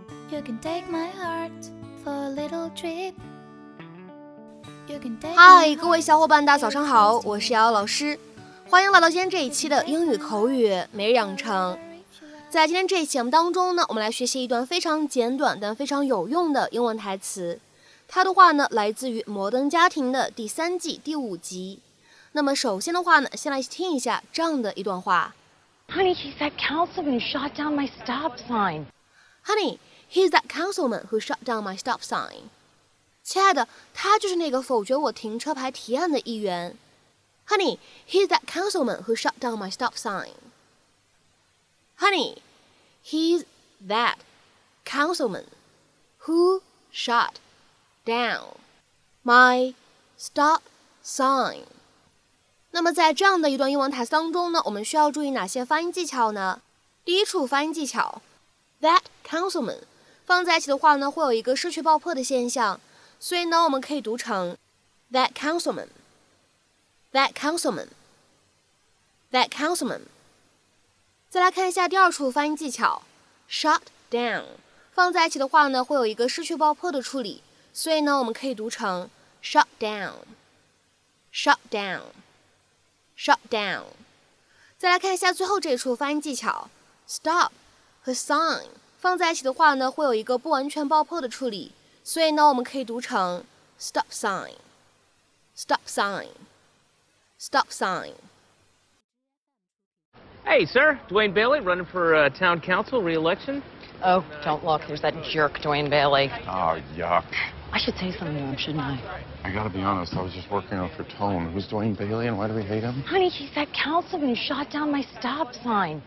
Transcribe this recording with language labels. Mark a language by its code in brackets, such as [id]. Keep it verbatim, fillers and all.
[en] You can take my heart for a little trip. You can take my heart. [zh] 嗨，各位小伙伴，大早上好，我是瑶瑶老师，欢迎来到今天这一期的英语口语每日养成。在今天这一期节目当中呢，我们来学习一段非常简短但非常有用的英文台词。它的话呢，来自于《摩登家庭》的第三季第五集。那么首先的话呢，先来听一下这样的一段话。 [en] Honey, he's that councilman who shot down my stop sign. Honey, he's that councilman who shot down my stop sign. [zh] 亲爱的，他就是那个否决我停车牌提案的议员。 [en] Honey, he's that councilman who shot down my stop sign. Honey, he's that councilman who shot down my stop sign. [zh] 那么在这样的一段英文台词当中呢，我们需要注意哪些发音技巧呢？第一处发音技巧 that councilman 放在一起的话呢，会有一个失去爆破的现象，所以呢我们可以读成 that councilman that councilman that councilman。再来看一下第二处发音技巧 shut down 放在一起的话呢，会有一个失去爆破的处理，所以呢我们可以读成 shut down shut down shut down。再来看一下最后这一处发音技巧 stop 和 sign 放在一起的话呢，会有一个不完全爆破的处理，所以呢我们可以读成 stop sign stop sign stop sign。 [en] Hey sir, Dwayne Bailey running for、uh, town council re-election. Oh, don't look, there's that jerk Dwayne Bailey. Oh, yuck. I should say something to him, shouldn't I? I gotta be honest, I was just working out for tone. Who's Dwayne Bailey and why do we hate him? Honey, he's that councilman who shot down my stop sign.